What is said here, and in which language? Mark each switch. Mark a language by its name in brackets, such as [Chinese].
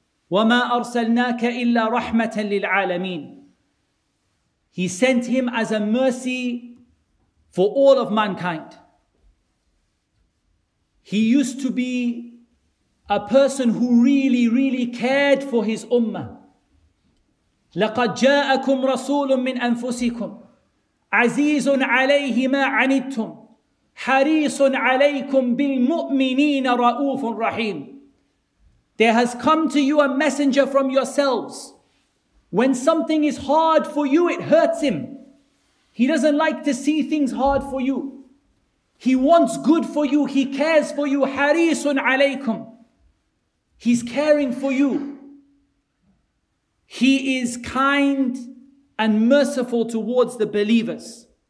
[Arabic] وَمَا أَرْسَلْنَاكَ إِلَّا رَحْمَةً لِلْعَالَمِينَ [English] He sent him as a mercy for all of mankind. He used to be a person who really, really cared for his ummah. [Arabic] لَقَدْ جَاءَكُمْ رَسُولٌ مِّنْ أَنفُسِكُمْ عَزِيزٌ عَلَيْهِ مَا عَنِدْتُمْ حَرِيصٌ عَلَيْكُمْ بِالْمُؤْمِنِينَ رَؤُوفٌ رَحِيمٌ [English] There has come to you a messenger from yourselves. When something is hard for you, it hurts him. He doesn't like to see things hard for you. He wants good for you. He cares for you. [Arabic] حَرِيصٌ عَلَيْكُمْ [English] He's caring for you. He is kind and merciful towards the believers.